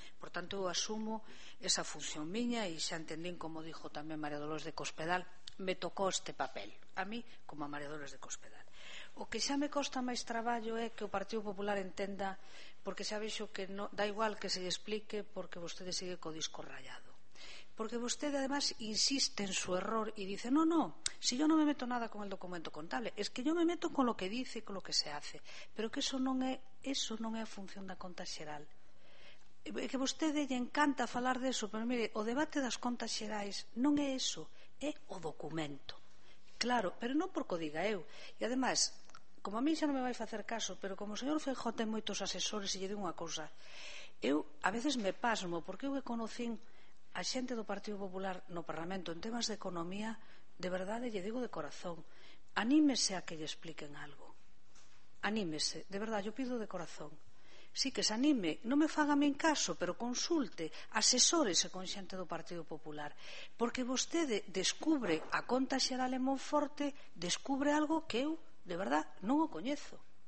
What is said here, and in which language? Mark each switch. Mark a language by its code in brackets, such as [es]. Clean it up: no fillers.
[gl] Por tanto, eu asumo esa función miña e xa entendín, como dijo tamén María Dolores de Cospedal, me tocou este papel a mí como a María Dolores de Cospedal. O que xa me costa máis traballo é que o Partido Popular entenda, porque xa veixo que no, da igual que se lle explique, porque vostede sigue co disco rayado. [es] porque usted además insiste en su error y dice, no, no, si yo no me meto nada con el documento contable, es que yo me meto con lo que dice y con lo que se hace, [gl] pero que eso non é a función da conta xeral. Que vostede lle encanta falar de eso, pero mire, o debate das contas xerais non é eso, é o documento. Claro, pero non porque o diga eu. E además, como a mí xa non me vai facer caso, pero como o señor Feijóo ten moitos asesores, e lle digo unha cousa, eu a veces me pasmo, porque eu que conocín a xente do Partido Popular no Parlamento en temas de economía, de verdade lle digo de corazón, anímese a que lle expliquen algo. Anímese, de verdade, eu pido de corazón. Sí, que se anime, non me faga min caso, pero consulte, asesórese con xente do Partido Popular, porque vostede descubre a conta xeral en Monforte, descubre algo que eu, de verdad, non o coñezo.